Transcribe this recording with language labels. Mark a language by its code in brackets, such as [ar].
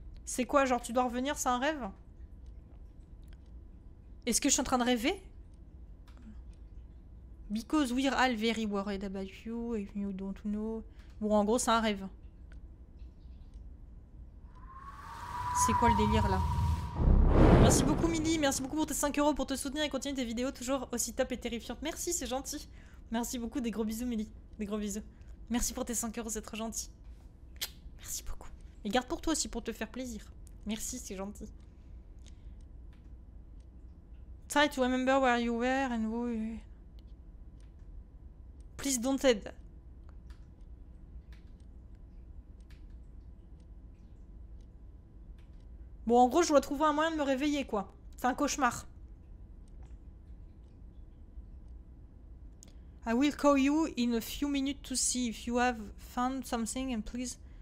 [fr] C'est quoi, genre tu dois revenir, c'est un rêve? Est-ce que je suis en train de rêver? [en] Because we're all very worried about you, if you don't know. [fr] Bon, en gros, c'est un rêve. C'est quoi le délire, là? Merci beaucoup, Millie. Merci beaucoup pour tes 5 euros pour te soutenir et continuer tes vidéos toujours aussi top et terrifiantes. Merci, c'est gentil. Merci beaucoup. Des gros bisous, Millie. Des gros bisous. Merci pour tes 5 euros, c'est trop gentil. Merci beaucoup. Et garde pour toi aussi, pour te faire plaisir. Merci, c'est gentil. [en] Try to remember where you were and who... Please don't aid. [fr] Bon, en gros, je dois trouver un moyen de me réveiller, quoi. C'est un cauchemar. [en] I will call you in a few minutes to see if you have found something and please...